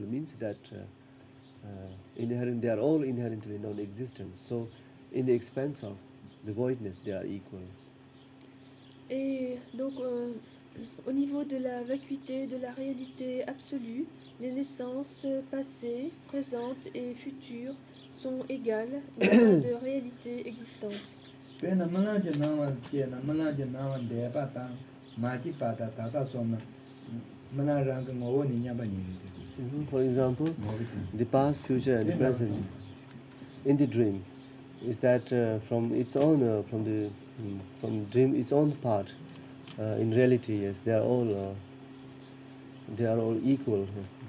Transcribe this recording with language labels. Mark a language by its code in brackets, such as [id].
[en] Means that inherent, they are all inherently non-existent. So, in the expanse of the voidness, they are equal. [fr] Et donc, au niveau de la vacuité, de la réalité absolue, les naissances passées, présentes et futures sont égales de réalité existante. [en] For example, the past, future, and present in the dream is that from its own, from the from dream its own part, in reality, yes, they are all equal, yes.